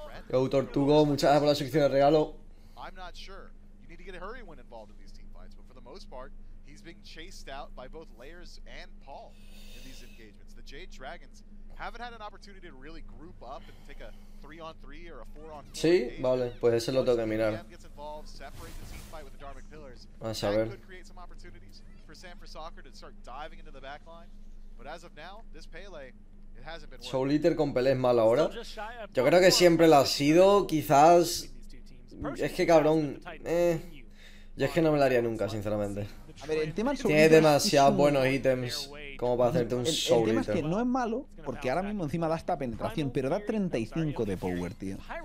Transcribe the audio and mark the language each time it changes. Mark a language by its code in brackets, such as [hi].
[es] Yo, Tortugo, muchas gracias por la sección de regalo. [en] I'm not sure. You need to get a hurry when involved in these team fights, but for the most part, he's being chased out by both Layers and Paul in these engagements. The Jade Dragons haven't had an opportunity to really group up and take a 3-on-3 or a 4-on-4. [es] Sí, vale, pues eso lo tengo que mirar. Vamos a ver. [en] Create some opportunities for Sanford Soccer to start diving into the back line. But as of now, this Pele, it hasn't been [es] Soul Eater con Pele es mal ahora. Yo creo que siempre lo ha sido, quizás. Es que cabrón, yo es que no me lo haría nunca, sinceramente. A ver, el tema del Tiene demasiados buenos ítems como para hacerte un Soul Eater. El tema es que no es malo, porque ahora mismo encima da esta penetración, pero da 35 de power, tío.